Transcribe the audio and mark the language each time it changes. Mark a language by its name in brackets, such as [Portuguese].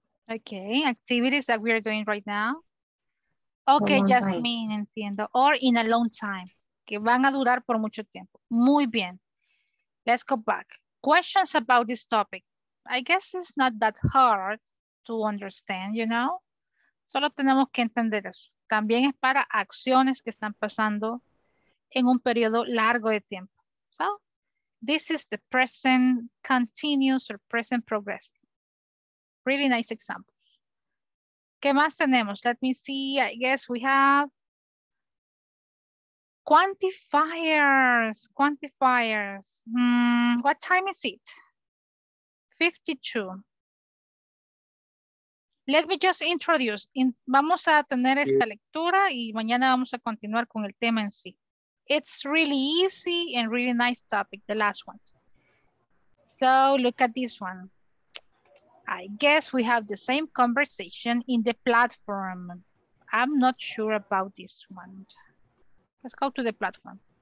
[English] Okay, activities that we are doing right now. [Spanish] Okay, Jasmine, entiendo. Or in a long time. Que van a durar por mucho tiempo. Muy bien. Let's go back. [English] Questions about this topic. I guess it's not that hard to understand, you know. [Spanish] Solo tenemos que entender eso. También es para acciones que están pasando en un periodo largo de tiempo. [English] So, this is the present continuous or present progressive. Really nice example. ¿Qué más tenemos? Let me see. I guess we have quantifiers. Quantifiers. What time is it? 52. Let me just introduce. [Spanish] Vamos a tener esta lectura y mañana vamos a continuar con el tema en sí. [English] It's really easy and really nice topic, the last one. So look at this one. I guess we have the same conversation in the platform. I'm not sure about this one. Let's go to the platform.